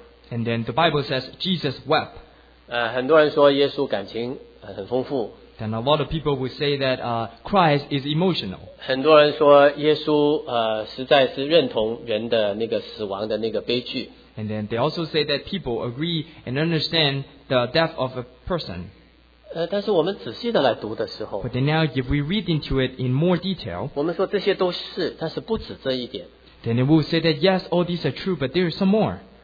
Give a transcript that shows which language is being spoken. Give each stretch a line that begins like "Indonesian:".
English: And then the Bible says Jesus wept.
Chinese: 很多人说耶稣感情很丰富。
English: Then a lot of people would say that Christ is emotional.
Chinese: 很多人说耶稣, 实在是认同人的那个死亡的那个悲剧。
English: And then they also say that people agree and understand the death of a person.
Chinese: 但是我们仔细的来读的时候,
English: but then now if we read into it in more detail,
Chinese: 我们说这些都是, 但是不止这一点。
English: Then it will say that yes, all these are true, but there is some more.